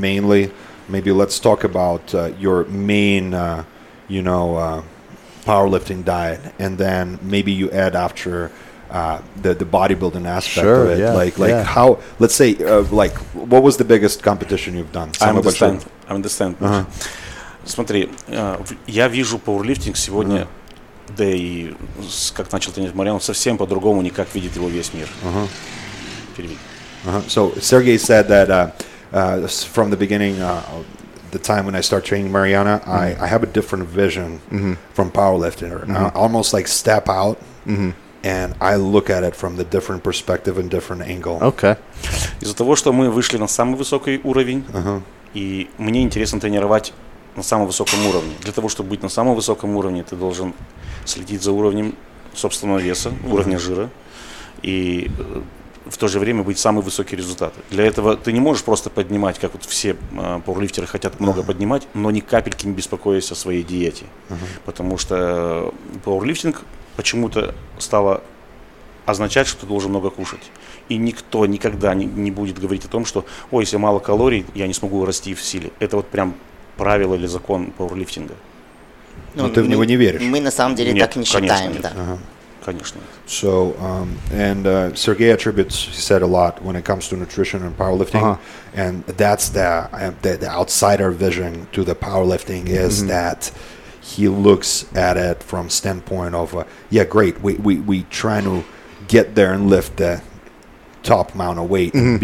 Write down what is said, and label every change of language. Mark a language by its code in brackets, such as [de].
[en] mainly, maybe let's talk about your main, you know, powerlifting diet, and then maybe you add after the bodybuilding aspect, sure, of it. Yeah, how, let's say, like, what was the biggest competition you've done? I understand. Uh-huh. [ru] Смотри, я вижу powerlifting сегодня. Mm-hmm. Да и как начал тренировать Мариан, совсем по-другому никак видит его весь мир. Uh-huh. Переведи. Uh-huh. [en] So Sergey said that from the beginning, the time when I start training Mariana, mm-hmm. I have a different vision mm-hmm. from powerlifting. Mm-hmm. Almost like step out mm-hmm. and I look at it from the different perspective and different angle. Okay. [ru] Из-за того, что мы вышли на самый высокий уровень, uh-huh. и мне интересно тренировать на самом высоком уровне. Для того, чтобы быть на самом высоком уровне, ты должен следить за уровнем собственного веса, mm-hmm. уровня жира, и в то же время быть самый высокий результат. Для этого ты не можешь просто поднимать, как вот все пауэрлифтеры хотят много mm-hmm. поднимать, но ни капельки не беспокоясь о своей диете. Mm-hmm. Потому что пауэрлифтинг почему-то стало означать, что ты должен много кушать. И никто никогда не будет говорить о том, что, ой, если мало калорий, я не смогу расти в силе. Это вот прям правило или закон пауэрлифтинга. Но ты в него не веришь. Мы на самом деле нет, так не считаем, нет. Да. Uh-huh. Конечно. [en] So, and Sergey attributes, he said a lot when it comes to nutrition and powerlifting, uh-huh. and that's the outsider vision to the powerlifting is mm-hmm. that he looks at it from standpoint of, yeah, great, we trying to get there and lift the top amount of weight mm-hmm.